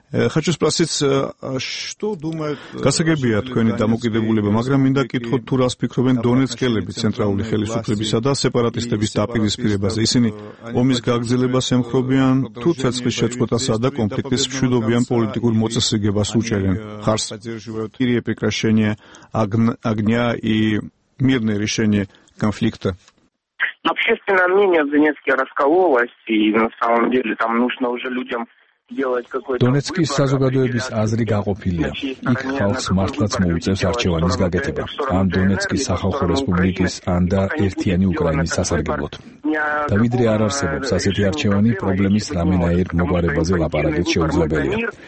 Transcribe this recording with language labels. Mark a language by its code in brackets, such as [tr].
[ru] Хочу спросить, что думает [ka] გასაგებია თქვენი დამოკიდებულება, მაგრამ მინდა კითხოთ, თუ რას ფიქრობენ დონეცკელები ცენტრალური ხელისუფლებისა და სეპარატისტების დაპირისპირებაზე? ისინი ომის გაგრძელებას ემხრობიან თუ ცეცხლის შეწყვეტასა და კონფლიქტის მშვიდობიან პოლიტიკურ მოწესრიგებას უჭერენ ხარს? [ru] Кирие прекращение огня и мирное решение конфликта. Общественное мнение в Донецке раскололось, и на самом деле там нужно уже людям [ka] დონეცკის საზოგადოების აზრი გაყოფილია. იქ ხალხს მართლაც მოუწევს არჩევანის გაკეთება. ან დონეცკის სახალხო რესპუბლიკის, ან და ერთიანი უკრაინის სასარგებლოდ. და ვიდრე არ არსებობს ასეთი არჩევანი, პრობლემის რამენაერ მოგვარებაზე ლაპარაკიც შეუძლებელია.